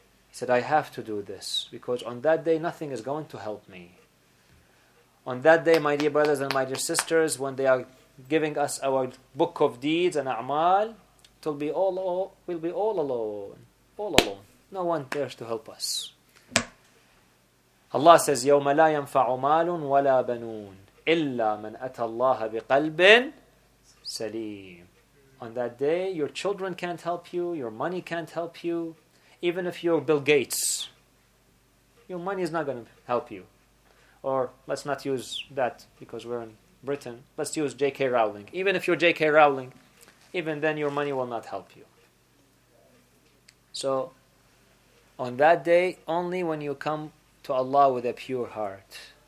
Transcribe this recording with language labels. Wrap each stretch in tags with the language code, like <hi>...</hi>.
<en>He said, I have to do this, because on that day nothing is going to help me. On that day, my dear brothers and my dear sisters, when they are giving us our book of deeds and a'mal, we'll be all alone, all alone. No one there to help us.</en> <ar>Allah says, يَوْمَ لَا يَنْفَعُ مَالٌ وَلَا بَنُونَ إِلَّا مَنْ أَتَى اللَّهَ بِقَلْبٍ سَلِيمٍ.</ar> <en>On that day, your children can't help you, your money can't help you, even if you're Bill Gates, your money is not going to help you. Or let's not use that because we're in Britain. Let's use J.K. Rowling. Even if you're J.K. Rowling, even then your money will not help you. So on that day, only when you come to Allah with a pure heart.</en>